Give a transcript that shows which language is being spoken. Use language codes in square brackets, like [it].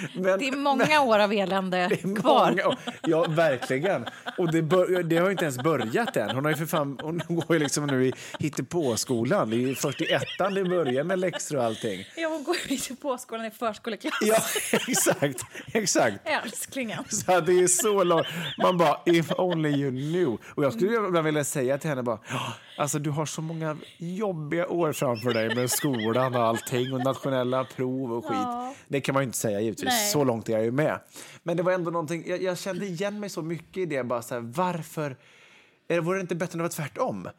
[sv] Men, det är många år av elände kvar. Ja, verkligen. Och det har ju inte ens börjat än. Hon har ju för fan, hon går ju liksom nu i hittepåskolan. Det är ju 41an det börjar med läxor och allting. Ja, hon går ju i hittepåskolan i förskoleklass. Ja, exakt. Älsklingen. Så här, det är så långt. Man bara, [en] if only you knew. [sv] Och jag skulle bara vilja säga till henne bara... Alltså, du har så många jobbiga år framför dig med skolan och allting och nationella prov och skit. Ja. Det kan man ju inte säga givetvis. Nej. Så långt är jag ju med. Men det var ändå någonting... Jag kände igen mig så mycket i det. Bara så här, varför... Vore det inte bättre att vara tvärtom?